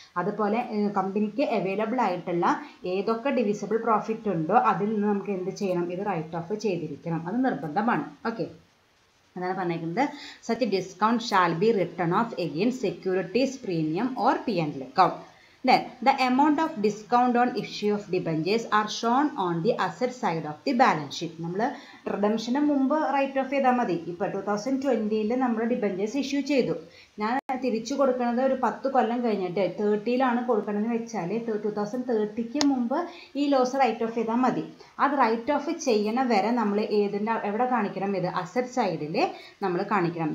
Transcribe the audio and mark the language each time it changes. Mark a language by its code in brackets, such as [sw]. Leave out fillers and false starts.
[ml] അതുപോലെ കമ്പനിക്ക് അവൈലബിൾ ആയിട്ടുള്ള ഏതൊക്കെ ഡിവിസിബിൾ പ്രോഫിറ്റ് ഉണ്ടോ അതിൽ നിന്ന് നമുക്ക് എന്ത് ചെയ്യണം? ഇത് റൈറ്റ് ഓഫ് ചെയ്തിരിക്കണം, അത് നിർബന്ധമാണ്. ഓക്കെ, അതാണ് പറഞ്ഞേക്കുന്നത്. [en] Such discount shall be return off again securities premium or P N L account. Then, the amount of discount on issue of debentures are shown on the asset side of the balance sheet. [ml] നമ്മൾ റിഡംഷന് മുമ്പ് right of ചെയ്താൽ മതി. ഇപ്പോൾ 2020 നമ്മൾ debentures issue ചെയ്തു. ഞാൻ തിരിച്ചു കൊടുക്കുന്നത് ഒരു 10 കൊല്ലം കഴിഞ്ഞിട്ട് 30-ൽ കൊടുക്കണമെന്ന് വെച്ചാൽ 2030 മുമ്പ് ഈ ലോസ് റൈറ്റ് ഓഫ് ചെയ്താൽ മതി. അത് റൈറ്റ് ഓഫ് ചെയ്യണ വരെ നമ്മൾ ഏതിൻ്റെ എവിടെ കാണിക്കണം, ഇത് അസറ്റ് സൈഡിൽ നമ്മൾ കാണിക്കണം.